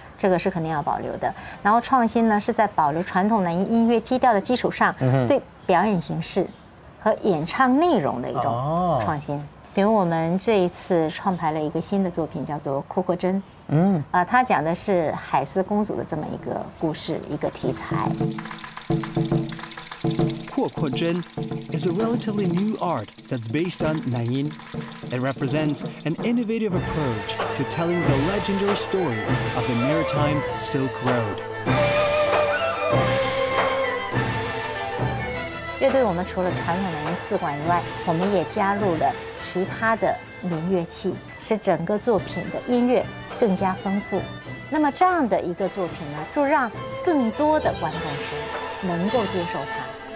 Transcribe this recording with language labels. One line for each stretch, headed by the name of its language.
Chinese: 这个是肯定要保留的，然后创新呢是在保留传统南音音乐基调的基础上，对表演形式和和演唱内容的一种创新。哦、比如我们这一次创排了一个新的作品，叫做《库克针》。嗯，它讲的是海斯公主的这么一个故事，一个题材。
English: Kuokuozhen is a relatively new art that's based on Nanyin. It represents an innovative approach to telling the legendary story of the maritime Silk Road.
Chinese: 乐队我们除了传统的四管以外，我们也加入了其他的民乐器，使整个作品的音乐更加丰富。那么这样的一个作品呢，就让更多的观众群能够接受它。